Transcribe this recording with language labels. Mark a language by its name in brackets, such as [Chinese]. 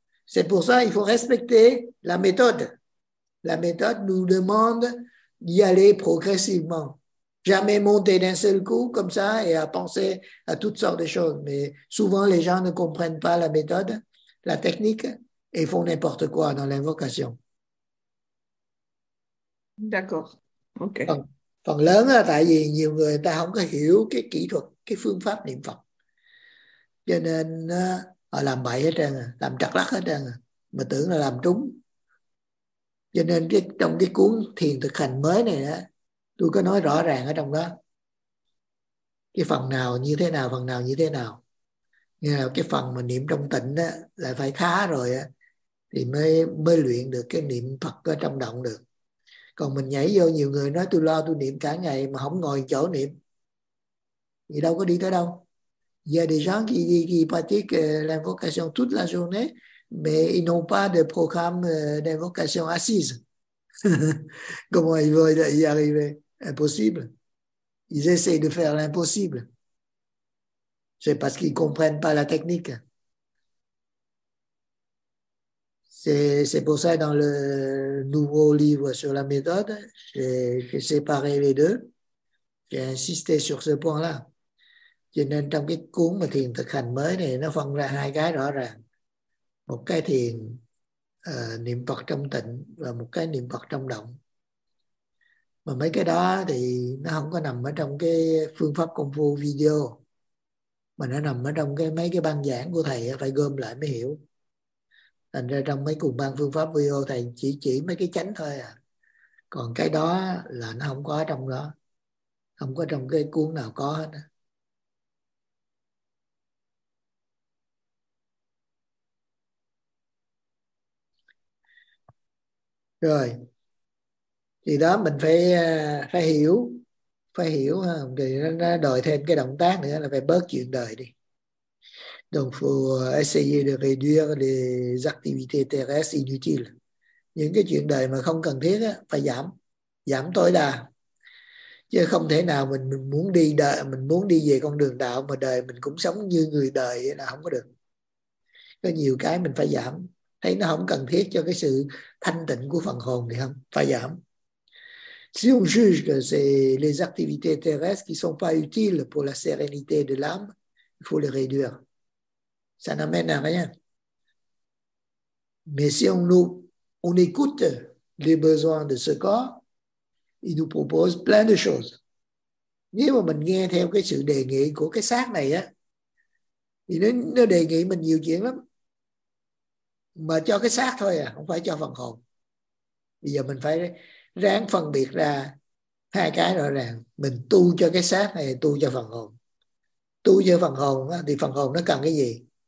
[French] C'est pour ça qu'il faut respecter la méthode. La méthode nous demande d'y aller progressivement. Jamais monter d'un seul coup comme ça et à penser à toutes sortes de choses. Mais souvent, les gens ne comprennent pas la méthode, la technique, et font n'importe quoi dans l'invocation. D'accord. OK. [Vietnamese] Phần lớn là tại vì nhiều người ta không có hiểu cái kỹ thuật, cái phương pháp niệm Phật. Cho nên họ làm bậy hết trơn, làm trật lắc hết trơn, mà tưởng là làm đúng. Cho nên trong cái cuốn thiền thực hành mới này á, tôi có nói rõ ràng ở trong đó cái phần nào như thế nào, phần nào như thế nào. Như là cái phần mà niệm trong tịnh á, là phải khá rồi á, thì mới luyện được cái niệm Phật ở trong động được. Còn mình nhảy vô, nhiều người nói tôi lo tôi niệm cả ngày mà không ngồi chỗ niệm thì đâu có đi tới đâu. [French] Il y a des gens qui pratiquent l'invocation toute la journée mais ils n'ont pas de programme d'invocation assise. Comment ils vont y arriver? Impossible. Ils essayent de faire l'impossible. C'est parce qu'ils ne comprennent pas la technique. C'est pour ça que dans le nouveau livre sur la méthode, j'ai séparé les deux. J'ai insisté sur ce point-là. [Vietnamese] Cho nên trong cái cuốn mà thiền thực hành mới này nó phân ra hai cái rõ ràng. Một cái thiền niệm Phật trong tịnh và một cái niệm Phật trong động. Mà mấy cái đó thì nó không có nằm ở trong cái phương pháp công phu video, mà nó nằm ở trong cái mấy cái băng giảng của thầy phải gom lại mới hiểu. Thành ra trong mấy cùng băng phương pháp video thầy chỉ mấy cái chánh thôi à. Còn cái đó là nó không có ở trong đó. Không có trong cái cuốn nào có hết á. Rồi. Thì đó mình phải hiểu ha, thì nó đòi thêm cái động tác nữa là phải bớt chuyện đời đi. [French] Donc faut essayer de réduire les activités terrestres inutiles. [Vietnamese] Những cái chuyện đời mà không cần thiết á phải giảm tối đa. Chứ không thể nào mình muốn đi về con đường đạo mà đời mình cũng sống như người đời là không có được. Có nhiều cái mình phải giảm. Thấy nó không cần thiết cho cái sự thanh tịnh của phần hồn thì không, phải giảm. [French] Si on juge que c'est les activités terrestres qui sont pas utiles pour la sérénité de l'âme, il faut les réduire. Ça n'amène à rien. Mais si on écoute les besoins de ce corps, il nous propose plein de choses. [Vietnamese] Nếu mà mình nghe theo cái sự đề nghị của cái xác này á, thì nó đề nghị mình nhiều chuyện lắm. Mà cho cái xác thôi à, không phải cho phần hồn. Bây giờ mình phải ráng phân biệt ra hai cái rõ ràng. Mình tu cho cái xác hay tu cho phần hồn. Tu cho phần hồn thì phần hồn nó cần cái gì?